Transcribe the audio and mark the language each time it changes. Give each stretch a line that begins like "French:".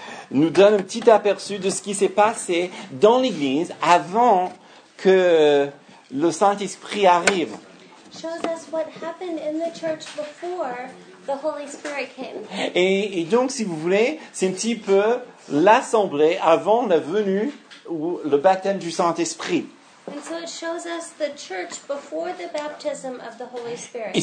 French: nous donne un petit aperçu de ce qui s'est passé dans l'église avant que le Saint-Esprit arrive.
English: Shows us what happened in the church before the Holy Spirit came.
French: Et donc, si vous voulez, c'est un petit peu l'assemblée avant la venue ou le baptême du Saint-Esprit.
English: And so it shows us the church before the baptism of the Holy Spirit.